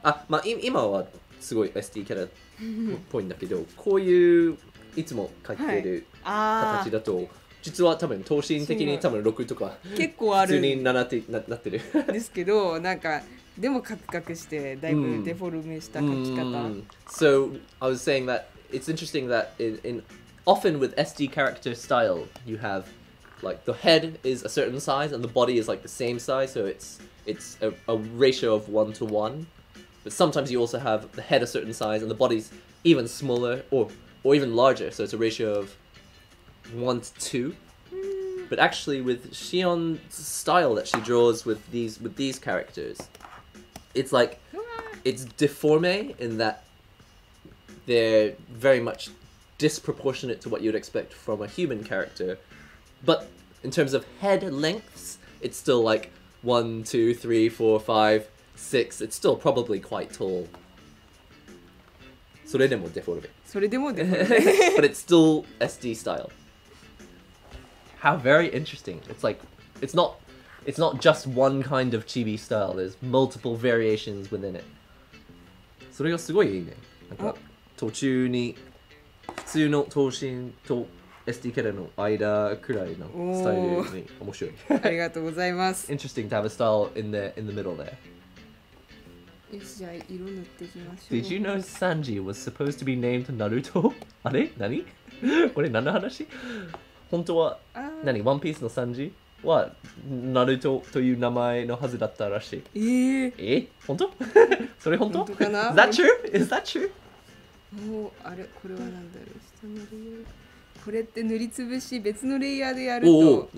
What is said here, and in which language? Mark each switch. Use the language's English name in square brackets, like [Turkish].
[Japanese] あ、まあ、今はすごい SD キャラっぽいんだけど、こういういつも描いてる形だと、はい、実は多分、等身的に多分6とか、結構ある。普通に7って なってる。ですけど、なんか、でもカクカクして、だいぶデフォルメした描き方。 Mm. Mm. [English] So, I was saying that it's interesting that in often with SD character style, you have like the head is a certain size and the body is like the same size, so it's a ratio of 1:1, but sometimes you also have the head a certain size and the body's even smaller or even larger, so it's a ratio of 1:2. But actually with Shion's style that she draws with these characters, it's like, it's deforme in that they're very much disproportionate to what you'd expect from a human character, but in terms of head lengths, it's still like 1, 2, 3, 4, 5, 6. It's still probably quite tall. [Japanese] それでもデフォルメ。それでもデフォルメ。 [English] But it's still SD style. How very interesting. It's like, it's not just one kind of chibi style. There's multiple variations within it. [Japanese] それがすごいいいね。なんか途中に普通の等身と SD キャラの間くらいのスタイルに面白い。ありがとうございます。 [English] Interesting to have a style in the middle there. [Japanese] よし、じゃあ色塗っていきましょう。 [English] Did you know Sanji was supposed to be named Naruto? [Japanese] あれ？何？これ何の話？本当は何？ワンピースのサンジはナルトという名前のはずだったらしい。ええ？本当？それ本当？本当かな？ [English] Is that true? Is that true? [Japanese] もうあれこれは何だろう？下のレイヤー、これって塗りつぶし別のレイヤーでやると、